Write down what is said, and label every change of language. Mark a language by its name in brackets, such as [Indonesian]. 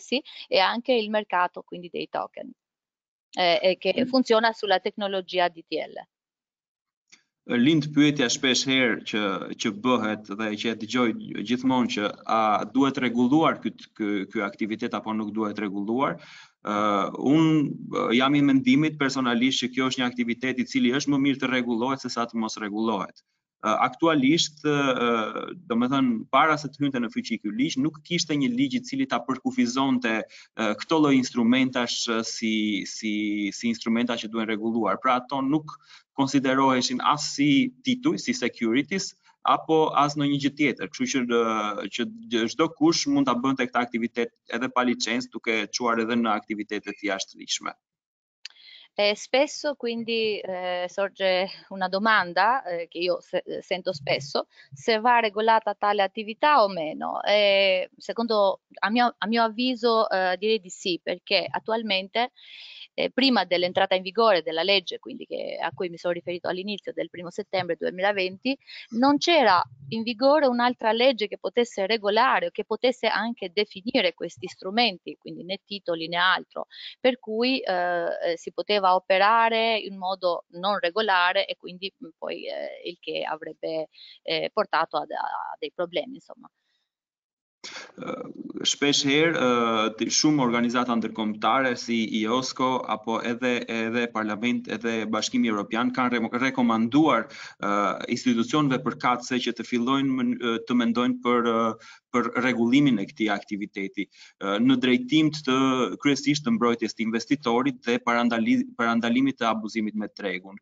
[Italian] sì, e anche il mercato quindi dei token. Che funziona sulla tecnologia DTL. [Albanian] Lind pyetja shpesh herë që bëhet dhe që e dëgjoj gjithmonë që a duhet rregulluar ky aktivitet apo nuk duhet rregulluar. Unë jam I mendimit personalisht që kjo është një aktivitet I cili është më mirë të rregullohet sesa të mos rregullohet. Aktualisht, do me thënë, para se të hynte në fyqi ky ligj, nuk kishte një ligj I cili ta përkufizonte këto lloj instrumentash si instrumenta që duhen rregulluar. Pra ato nuk konsideroheshin as si tituj, si securities, apo as në një gjë tjetër. Kështu që çdo kush mund ta bënte këtë aktivitet edhe pa licencë, duke çuar edhe në aktivitete të jashtëligjshme. [Italian] Spesso quindi sorge una domanda che io sento spesso, se va regolata tale attività o meno. A mio avviso direi di sì, perché attualmente prima dell'entrata in vigore della legge, quindi a cui mi sono riferito all'inizio del 1° settembre 2020, non c'era in vigore un'altra legge che potesse regolare o che potesse anche definire questi strumenti, quindi né titoli né altro, per cui si poteva operare in modo non regolare e quindi poi il che avrebbe portato a dei problemi, insomma. [Albanian] Shpeshherë shumë organizata ndërkombëtare si IOSCO apo edhe Parlament edhe Bashkimi Evropian kanë rekomanduar institucioneve përkatëse që të fillojnë të mendojnë për rregullimin e këtij aktiviteti në drejtim të kryesisht të mbrojtjes të investitorit dhe parandalimit të abuzimit me tregun.